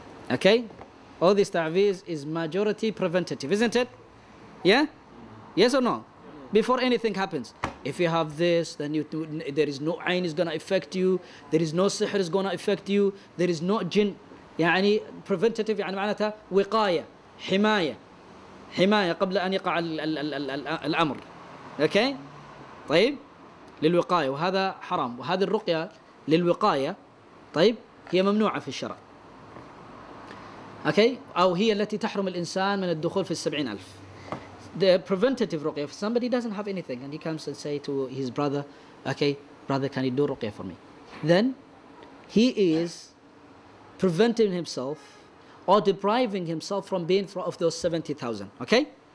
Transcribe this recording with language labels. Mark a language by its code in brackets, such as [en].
[en] Okay, all this ta'weez is majority preventative, isn't it? Yeah? Yes or no? Before anything happens. If you have this, then there is no ayn is going to affect you. There is no sihr is going to affect you. There is no jinn. [ar] يعني preventative, يعني معناتها وقاية, حماية. حماية قبل أن يقع الأمر. Okay? طيب؟ للوقاية, وهذا حرام. وهذه الرقية للوقاية, طيب؟ هي ممنوعة في الشرع. [en] Okay? [ar] أو هي التي تحرم الإنسان من الدخول في 70,000. [en] The preventative ruqya, if somebody doesn't have anything and he comes and say to his brother, okay, brother, can you do ruqya for me? Then he is preventing himself or depriving himself from being of those 70,000, okay?